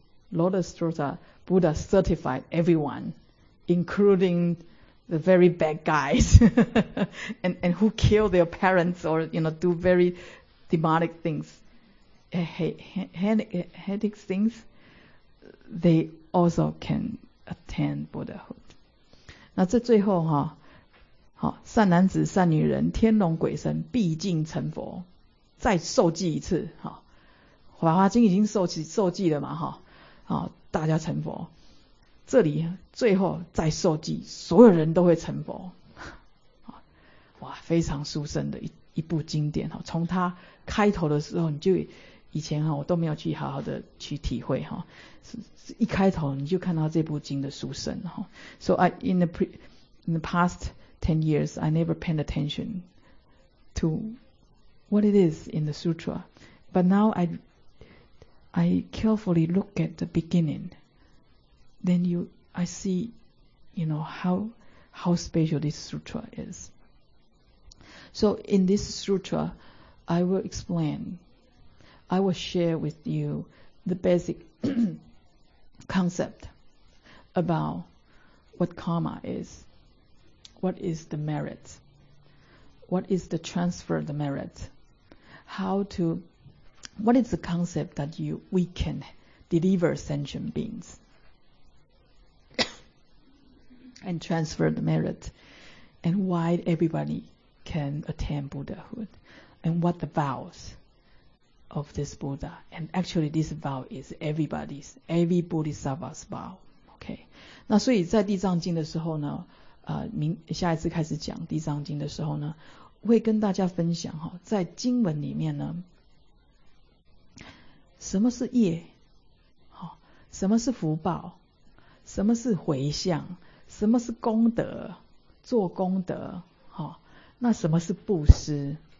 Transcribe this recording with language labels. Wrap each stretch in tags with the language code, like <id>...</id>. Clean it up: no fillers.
<en>Lotus Sutra, Buddha certified everyone, including the very bad guys, and who kill their parents or, you know, do very... demonic things, heretic things, they also can attain Buddhahood.</en> <zh>那这最后哈，好，善男子、善女人、天龙鬼神毕竟成佛，再受记一次哈。法华经已经受记了嘛哈，啊，大家成佛，这里最后再受记，所有人都会成佛。哇，非常殊胜的一部经典哈，从它开头的时候，你就以前哈，我都没有去好好的去体会哈，是一开头你就看到这部经的殊胜哈。</zh> <en>So I in the past 10 years, I never paid attention to what it is in the sutra, but now I carefully look at the beginning, then I see, you know, how special this sutra is. So in this sutra, I will share with you the basic concept about what karma is, what is the merit, what is the transfer of the merit, what is the concept that we can deliver sentient beings and transfer the merit, and why everybody... can attain Buddhahood, and what the vows of this Buddha, and actually this vow is everybody's, every Bodhisattva's vow, okay.</en> <zh>那所以在地藏经的时候呢，下一次开始讲地藏经的时候呢，会跟大家分享哈，在经文里面呢，什么是业，好，什么是福报，什么是回向，什么是功德，做功德，好，那什么是布施？</zh>